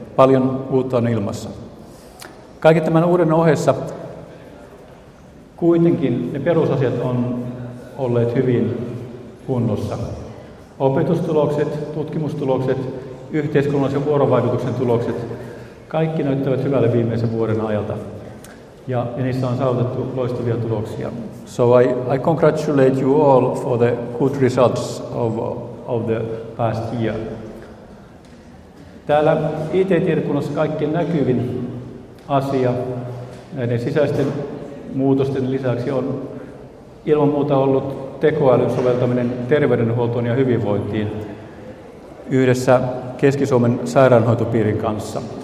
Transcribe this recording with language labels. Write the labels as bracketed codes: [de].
[fi] Paljon uutta on ilmassa. Kaiken tämän uuden ohessa kuitenkin ne perusasiat on olleet hyvin kunnossa. Opetustulokset, tutkimustulokset, yhteiskunnallisen vuorovaikutuksen tulokset, kaikki näyttävät hyvälle viimeisen vuoden ajalta. Ja niissä on saavutettu loistavia tuloksia. [en] So I congratulate you all for the good results of the past year. [fi] Täällä IT-tiedekunnassa kaikkien näkyvin asia näiden sisäisten muutosten lisäksi on ilman muuta ollut tekoälyn soveltaminen terveydenhuoltoon ja hyvinvointiin yhdessä Keski-Suomen sairaanhoitopiirin kanssa.